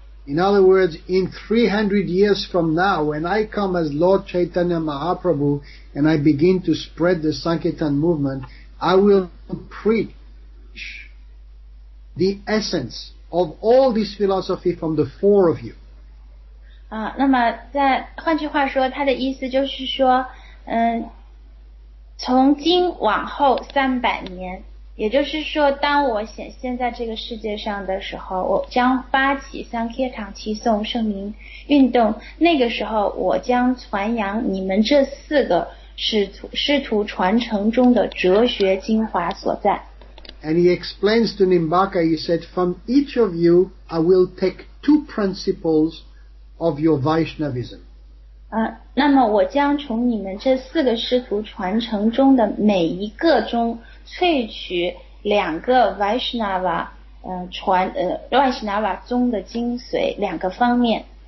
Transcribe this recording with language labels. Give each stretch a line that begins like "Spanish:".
English: In other words, in 300 years from now, when I come as Lord Chaitanya Mahaprabhu and I begin to spread the Sankirtan movement, I will preach the essence of all this philosophy from the four of you.
Chinese: 那么换句话说，他的意思就是说，从今往后三百年，也就是说，当我显现在这个世界上的时候，我将发起Sankirtan齐颂圣名运动。那个时候，我将传扬你们这四个师徒传承中的哲学精华所在。
English: And he explains to Nimbaka, he said, from each of you, I will take two principles of your Vaishnavism.
Chinese: 那么我将从你们这四个师徒传承中的每一个中萃取两个 Vaishnava, Vaishnava 宗的精髓两个方面。